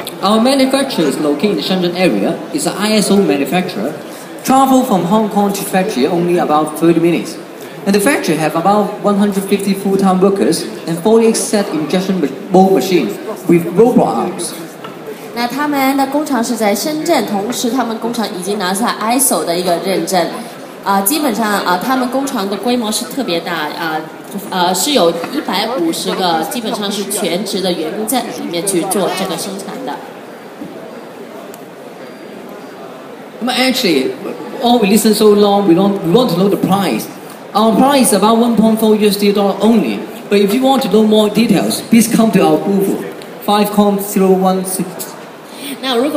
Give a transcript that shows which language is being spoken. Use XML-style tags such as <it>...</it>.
<en>Our manufacturer is located in the Shenzhen area. It's an ISO manufacturer. Travel from Hong Kong to factory only about 30 minutes. And the factory have about 150 full-time workers and 48 set injection mold machines with robot arms.</en> <zh>那他们的工厂是在深圳，同时他们工厂已经拿下 ISO 的一个认证。基本上他们工厂的规模是特别大，是有150个基本上是全职的员工在里面去做这个生产的。那么</zh> <en>actually, all we listen so long, we want to know the price. Our price is about $1.4 only. But if you want to know more details, please come to our booth, 50016.</en>